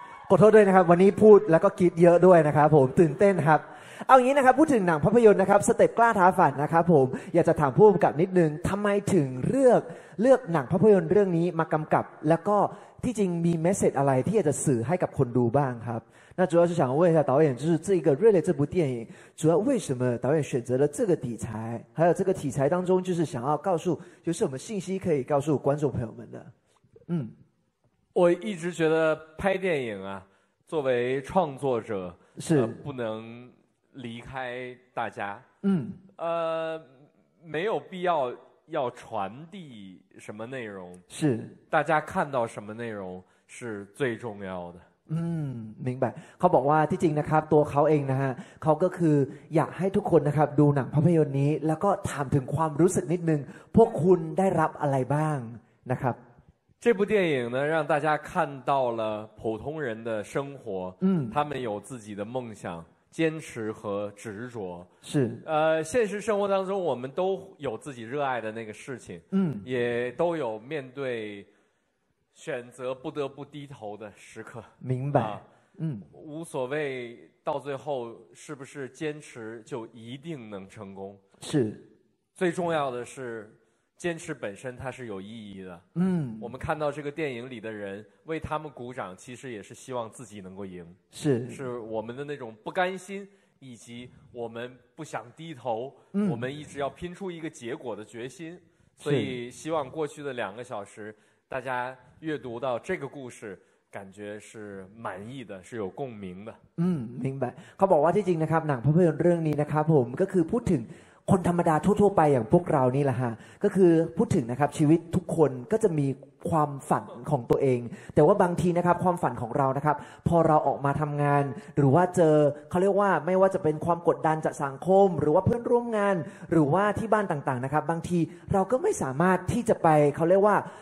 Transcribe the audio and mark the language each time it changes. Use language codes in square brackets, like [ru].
[th] ขอโทษด้วยนะครับวันนี้พูดแล้วก็คิดเยอะด้วยนะครับผมตื่นเต้นครับเอางี้นะครับพูดถึงหนังภาพยนตร์นะครับสเต็ปกล้าท้าฝันนะครับผมอยากจะถามผู้กำกับนิดนึงทำไมถึงเลือกหนังภาพยนตร์เรื่องนี้มากำกับแล้วก็ที่จริงมีเมสเซจอะไรที่อยากจะสื่อให้กับคนดูบ้างครับ [zh] 那主要是想问一下导演，就是这个《热烈》这部电影，主要为什么导演选择了这个题材，还有这个题材当中，就是想要告诉有什么信息可以告诉观众朋友们的？嗯。我一直觉得拍电影啊，作为创作者是、不能离开大家。嗯，没有必要要传递什么内容，是大家看到什么内容是最重要的。嗯，明白。 [th] เขาบอกว่าที่จริงนะครับตัวเขาเองนะฮะเขาก็คืออยากให้ทุกคนนะครับดูหนังภาพยนตร์นี้แล้วก็ถามถึงความรู้สึกนิดนึงพวกคุณได้รับอะไรบ้างนะครับ [zh] 这部电影呢让大家看到了普通人的生活他们有自己的梦想坚持和执着是现实生活当中我们都有自己热爱的那个事情也都有面对选择不得不低头的时刻明白无所谓到最后是不是坚持就一定能成功是最重要的是坚持本身它是有意义的我们看到这个电影里的人为他们鼓掌其实也是希望自己能够赢是我们的那种不甘心以及我们不想低头我们一直要拼出一个结果的决心所以希望过去的两个小时大家阅读到这个故事感觉是满意的是有共鸣的明白 [th] เขาบอกว่าที่จริงนะครับหนังภาพยนตร์เรื่องนี้นะครับผมก็คือพูดถึงคนธรรมดาทั่วๆไปอย่างพวกเรานี่แหละฮะก็คือพูดถึงนะครับชีวิตทุกคนก็จะมีความฝันของตัวเองแต่ว่าบางทีนะครับความฝันของเรานะครับพอเราออกมาทำงานหรือว่าเจอเขาเรียกว่าไม่ว่าจะเป็นความกดดันจากสังคมหรือว่าเพื่อนร่วมงานหรือว่าที่บ้านต่างๆนะครับบางทีเราก็ไม่สามารถที่จะไปเขาเรียกว่า